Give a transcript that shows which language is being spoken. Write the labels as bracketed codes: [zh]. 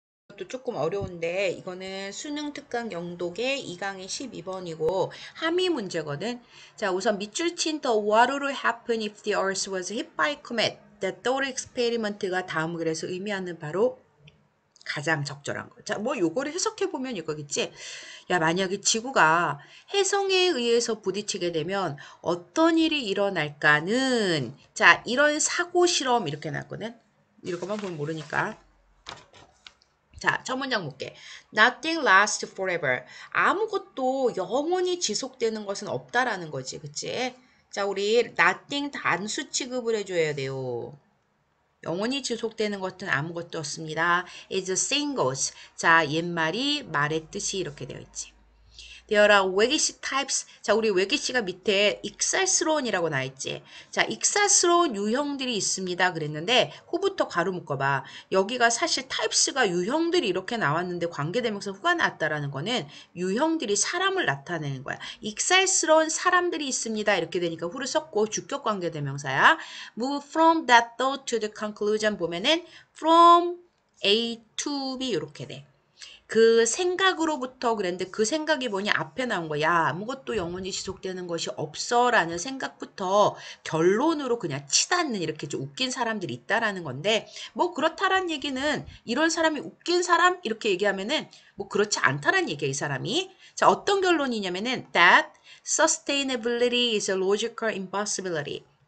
[ko] 이것도 조금 어려운데, 이거는 수능 특강 영독의 2강의 12번이고, 함의 문제거든. 자, 우선 밑줄 친더 [en] what would happen if the earth was hit by comet? The thought experiment [ko] 가 다음 글에서 의미하는 바로 가장 적절한 거. 자, 뭐 요거를 해석해 보면 이거겠지? 야, 만약에 지구가 혜성에 의해서 부딪히게 되면 어떤 일이 일어날까는, 자, 이런 사고 실험 이렇게 나왔거든. 이것만 보면 모르니까. 자, 첫 문장 볼게. [en] Nothing lasts forever. [ko] 아무것도 영원히 지속되는 것은 없다라는 거지. 그치? 자, 우리 nothing 단수 취급을 해줘야 돼요. 영원히 지속되는 것은 아무것도 없습니다. [en] It's a thing goes. [ko] 자, 옛말이 말의 뜻이 이렇게 되어 있지. [en] There are wiggish types. [ko] 자, 우리 wiggish가 밑에 익살스러운이라고 나와 있지. 자, 익살스러운 유형들이 있습니다. 그랬는데, 후부터 괄호 묶어봐. 여기가 사실 types가 유형들이 이렇게 나왔는데, 관계대명사 후가 나왔다라는 거는 유형들이 사람을 나타내는 거야. 익살스러운 사람들이 있습니다. 이렇게 되니까 후를 썼고, 주격 관계대명사야. [en] Move from that thought to the conclusion [ko] 보면은 [en] from A to B [ko] 이렇게 돼. 그 생각으로부터 그랬는데 그 생각이 뭐냐? 앞에 나온 거야. 아무것도 영원히 지속되는 것이 없어라는 생각부터 결론으로 그냥 치닫는 이렇게 좀 웃긴 사람들이 있다라는 건데 뭐 그렇다란 얘기는 이런 사람이 웃긴 사람? 이렇게 얘기하면은 뭐 그렇지 않다란 얘기야, 이 사람이. 자, 어떤 결론이냐면은 [en] that sustainability is a logical impossibility.